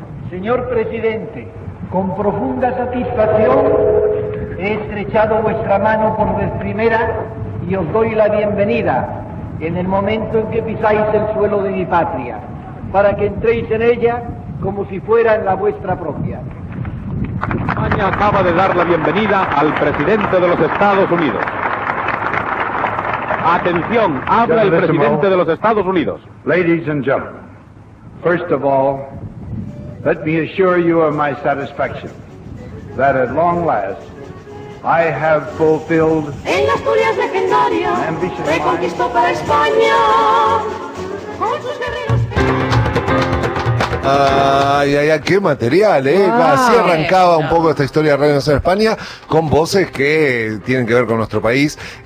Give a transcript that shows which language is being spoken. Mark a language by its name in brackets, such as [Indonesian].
[Spanish] Señor presidente, con profunda satisfacción he estrechado vuestra mano por vez primera y os doy la bienvenida en el momento en que pisáis el suelo de mi patria, para que entréis en ella como si fuera en la vuestra propia. España acaba de dar la bienvenida al presidente de los Estados Unidos. Atención, habla el presidente de los Estados Unidos. [English] Ladies and gentlemen, first of all, let me assure you of my satisfaction that at long last I have fulfilled [Spanish] en las Asturias legendaria reconquistó para España con sus guerreros. Ay, ay, ay, qué material, ¿eh? Ah, así arrancaba un poco esta historia de Radio Nacional España, con voces que tienen que ver con nuestro país.